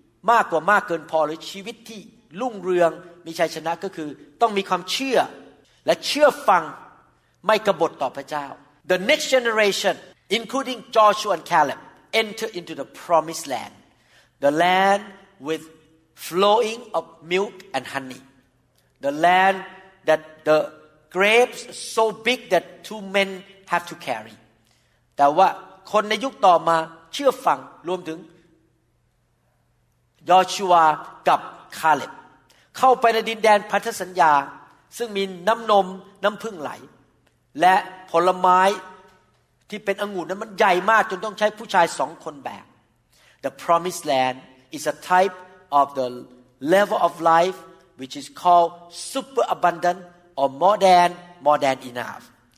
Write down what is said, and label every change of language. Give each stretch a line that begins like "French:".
Thai: มากกว่ามากเกินพอหรือชีวิตที่รุ่งเรืองมีชัยชนะก็คือต้องมีความเชื่อและเชื่อฟังไม่กบฏต่อพระเจ้า
English: The next generation including Joshua and Caleb enter into the promised landThe land with flowing of milk and honey. The land that the grapes so big that two men have to carry.
Thai: แต่ว่าคนในยุคต่อมาเชื่อฟังรวมถึงยอชูวากับคาเล็บเข้าไปในดินแดนพันธสัญญาซึ่งมีน้ำนมน้ำผึ้งไหลและผลไม้ที่เป็นองุ่นนั้นมันใหญ่มากจนต้องใช้ผู้ชายสองคนแบก
English: The promised land is a type of the level of life which is called superabundant or more than enough.